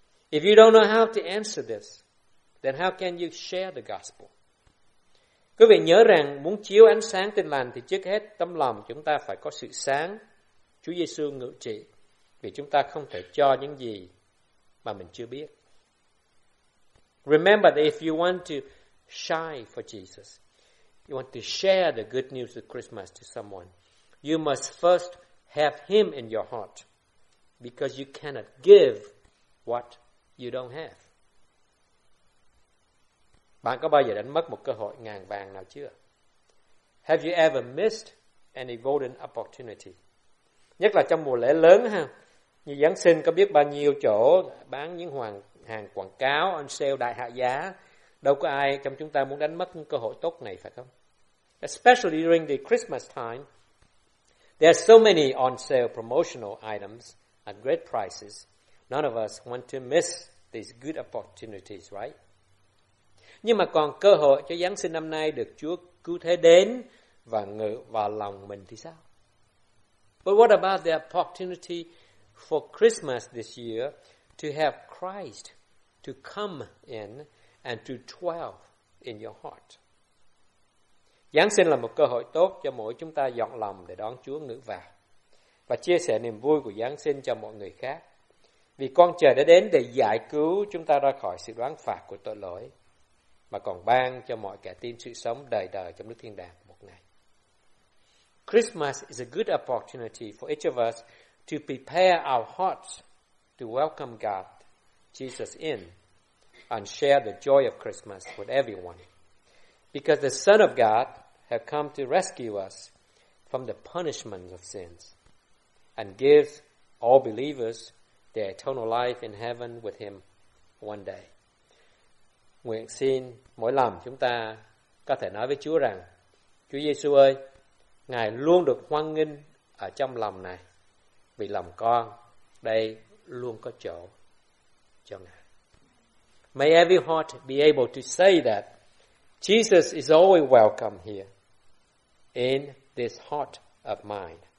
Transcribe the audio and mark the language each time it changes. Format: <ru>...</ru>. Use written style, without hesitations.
<en>If you don't know how to answer this, then how can you share the gospel?</en> <vi>Quý vị nhớ rằng muốn chiếu ánh sáng tin lành thì trước hết tâm lòng chúng ta phải có sự sáng, Chúa Giêsu ngự trị, vì chúng ta không thể cho những gì mà mình chưa biết.</vi> <en>Remember that if you want to shine for Jesus, you want to share the good news of Christmas to someone, you must first have him in your heart, because you cannot give what you don't have.</en> <vi>Bạn có bao giờ đánh mất một cơ hội ngàn vàng nào chưa?</vi> <en>Have you ever missed any golden opportunity?</en> <vi>Nhất là trong mùa lễ lớn ha, như Giáng sinh có biết bao nhiêu chỗ bán những hàng quảng cáo on sale đại hạ giá. Đâu có ai trong chúng ta muốn đánh mất những cơ hội tốt này phải không?</vi> <en>Especially during the Christmas time, there are so many on sale promotional items at great prices. None of us want to miss these good opportunities, right?</en> <vi>Nhưng mà còn cơ hội cho Giáng sinh năm nay được Chúa cứu thế đến và ngự vào lòng mình thì sao?</vi> <en>But what about the opportunity for Christmas this year to have Christ to come in and to dwell in your heart?</en> <vi>Giáng sinh là một cơ hội tốt cho mỗi chúng ta dọn lòng để đón Chúa ngự vào và chia sẻ niềm vui của Giáng sinh cho mọi người khác. Vì con trời đã đến để giải cứu chúng ta ra khỏi sự đoán phạt của tội lỗi, mà còn ban cho mọi kẻ tin sự sống đời đời trong nước thiên đàng một ngày.</vi> <en>Christmas is a good opportunity for each of us to prepare our hearts to welcome God, Jesus in, and share the joy of Christmas with everyone. Because the Son of God has come to rescue us from the punishment of sins and gives all believers the eternal life in heaven with him one day.</en> <vi>Nguyện xin mỗi lần chúng ta có thể nói với Chúa rằng, Chúa Giêsu ơi, Ngài luôn được hoan nghênh ở trong lòng này, vì lòng con đây luôn có chỗ cho Ngài.</vi> <en>May every heart be able to say that Jesus is always welcome here in this heart of mine.</en>